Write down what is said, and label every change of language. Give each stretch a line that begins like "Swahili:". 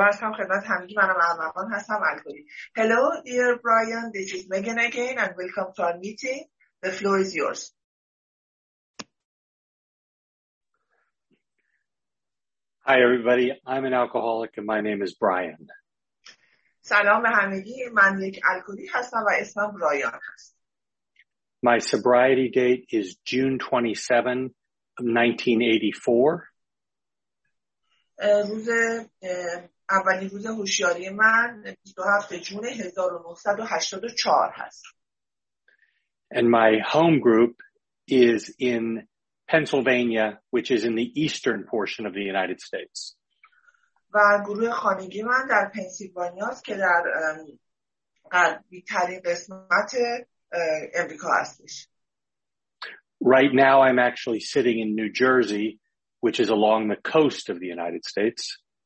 Persian: هستم خدمت همگی، منم ارمغان هستم الکلی.
English: Hello dear Brian, this is Megan again and welcome to our meeting. The floor is yours. Hi everybody, I'm an alcoholic and my name is Brian.
Persian: سلام به همگی، من یک الکلی هستم و اسمم برایان هست.
English: My sobriety date is June 27, 1984.
Persian: روز اولی روز هوشیاری من 27 جون 1984 هست.
English: And my home group is in Pennsylvania, which is in the eastern portion of the United States.
Persian: و گروه خانگی من در پنسیلوانیا است که در غربی ترین قسمت امریکا هستش.
English: Right now I'm actually sitting in New Jersey, which is along the coast of the United States.